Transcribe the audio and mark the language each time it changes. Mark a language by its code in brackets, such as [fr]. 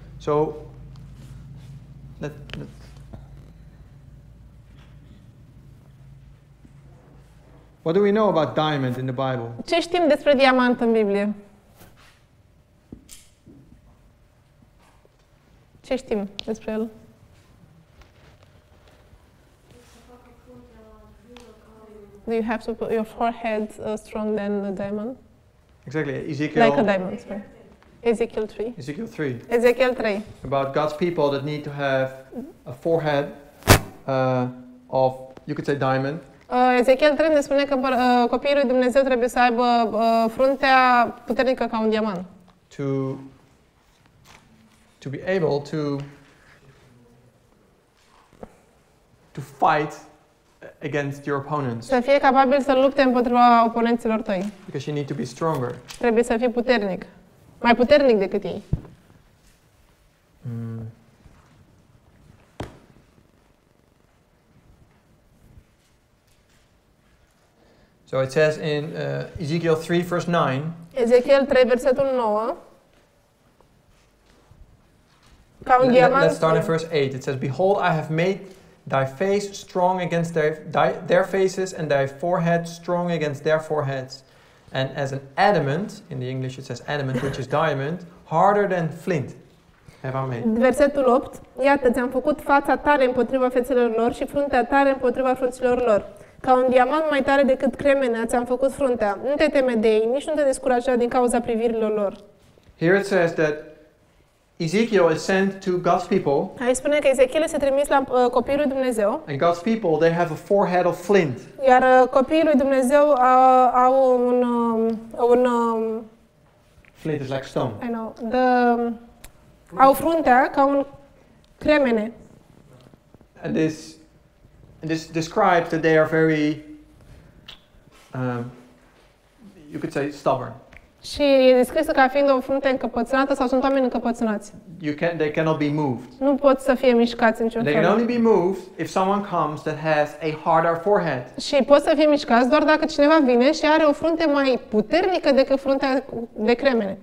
[en] So what do we know about diamond in the Bible? [ro] Ce știm despre diamant în Biblie? Ce știm despre el? [en] Do you have to put your forehead strong than a diamond? Exactly, Ezekiel. Like a diamond, sorry. Ezekiel 3. Ezekiel 3. About God's people that need to have a forehead of, you could say, diamond. [ro] Ezekiel 3 ne spune că copiii lui Dumnezeu trebuie să aibă fruntea puternică ca un diamant. [en] To be able to fight against your opponents. [ro] Să fie capabil să lupte împotriva oponenților tăi. [en] Because you need to be stronger. [ro] Trebuie să fii puternic. Mai puternic decât ei. [en] So it says in Ezekiel 3 verse 9. [ro] Ezekiel 3 versetul 9. [en] Let's start in verse 8. It says, "Behold, I have made thy face strong against their faces, and thy forehead strong against their foreheads, and as an adamant," in the English it says adamant, which is diamond, "harder than flint have I made." [ro] Versetul 8. Iată, ți-am făcut fața tare împotriva fețelor lor și fruntea tare împotriva frunților lor. Ca un diamant mai tare decât cremenea, ți-am făcut fruntea. Nu te teme de ei, nici nu te descuraja din cauza privirilor lor. [en] Here it says that Ezekiel is sent to God's people. [ro] Aici spune că Ezechiel este trimis la copiii lui Dumnezeu. [en] And God's people, they have a forehead of flint. [ro] Iar copiii lui Dumnezeu au un [en] flint is like stone. I know. [ro] Au fruntea ca un cremene. [en] And this describes that they are very you could say stubborn. [ro] Și e descris ca fiind o frunte încăpățânată sau sunt oameni încăpățânați. [en] They cannot be moved. [ro] Nu pot să fie mișcați în niciun fel. [en] They can only be moved if someone comes that has a harder forehead. [ro] Și pot să fie mișcați doar dacă cineva vine și are o frunte mai puternică decât fruntea de cremene.